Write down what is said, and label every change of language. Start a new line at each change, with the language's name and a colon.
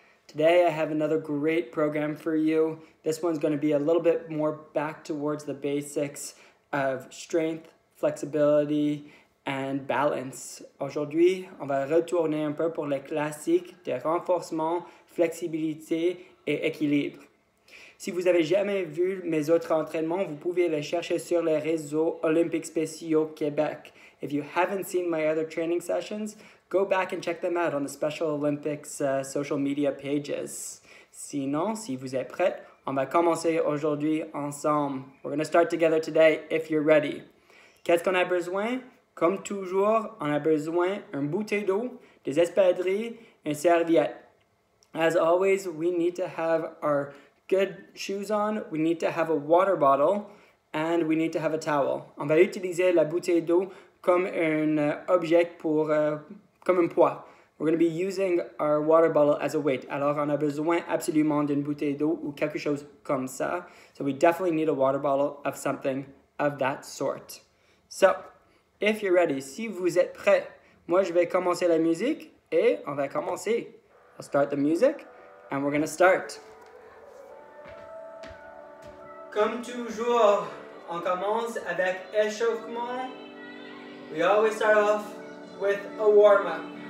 English: Today I have another great program for you. This one's going to be a little bit more back towards the basics of strength, flexibility, and balance.
French: Aujourd'hui, on va retourner un peu pour les classiques de renforcement, flexibilité et équilibre. Si vous avez jamais vu mes autres entraînements, vous pouvez les chercher sur les réseaux Olympique Spéciaux Québec.
English: If you haven't seen my other training sessions, go back and check them out on the Special Olympics social media pages.
French: Sinon, si vous êtes prêt, on va commencer aujourd'hui ensemble.
English: We're going to start together today if you're ready.
French: Qu'est-ce qu'on a besoin? Comme toujours, on a besoin d'une bouteille d'eau, des espadrilles, une serviette.
English: As always, we need to have our good shoes on, we need to have a water bottle, and we need to have a towel.
French: On va utiliser la bouteille d'eau comme un objet pour, comme un poids.
English: We're going to be using our water bottle as a weight.
French: Alors, on a besoin absolument d'une bouteille d'eau ou quelque chose comme ça.
English: So, we definitely need a water bottle of something of that sort. So, if you're ready,
French: si vous êtes prêt, moi je vais commencer la musique et on va commencer.
English: I'll start the music and we're going to start.
French: Comme toujours, on commence avec échauffement.
English: We always start off with a warm-up.